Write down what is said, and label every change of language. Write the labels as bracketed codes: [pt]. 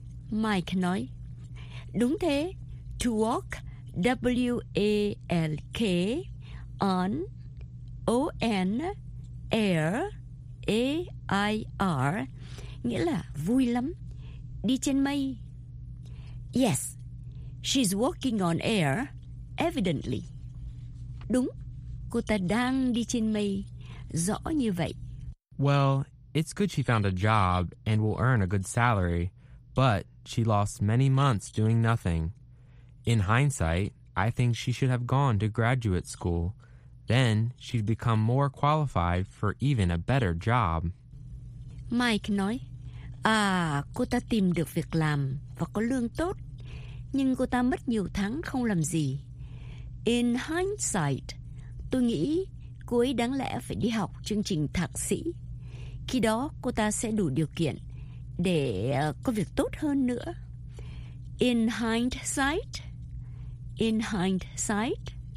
[vi] Mike nói. Đúng thế. [en] To walk. W-A-L-K. on, O-N, air, A-I-R, [vi] nghĩa là vui lắm, đi trên mây. [en] Yes, she's walking on air, evidently. [vi] Đúng, cô ta đang đi trên mây, rõ như vậy. [en] Well, it's good she found a job and will earn a good salary, but she lost many months doing nothing. In hindsight, I think she should have gone to graduate school. Then she'd become more qualified for even a better job. [vi] Mike nói, à, cô ta tìm được việc làm và có lương tốt, nhưng cô ta mất nhiều tháng không làm gì. [en] In hindsight, [vi] tôi nghĩ cô ấy đáng lẽ phải đi học chương trình thạc sĩ. Khi đó cô ta sẽ đủ điều kiện để có việc tốt hơn nữa. [en] In hindsight, in hindsight.